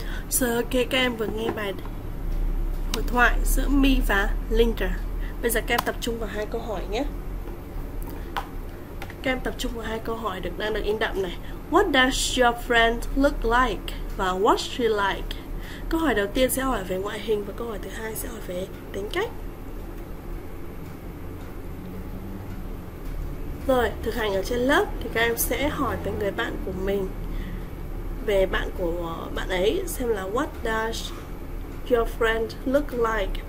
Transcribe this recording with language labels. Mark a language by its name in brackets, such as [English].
[Vietnamese] So, okay, các em vừa nghe bài hội thoại giữa Mi và Linda. Bây giờ các em tập trung vào hai câu hỏi nhé. Các em tập trung vào hai câu hỏi đang được in đậm này. [English] What does your friend look like? Và what's she like? [Vietnamese] Câu hỏi đầu tiên sẽ hỏi về ngoại hình và câu hỏi thứ hai sẽ hỏi về tính cách. Rồi, thực hành ở trên lớp thì các em sẽ hỏi về người bạn của mình, về bạn của bạn ấy xem là [English] What does your friend look like?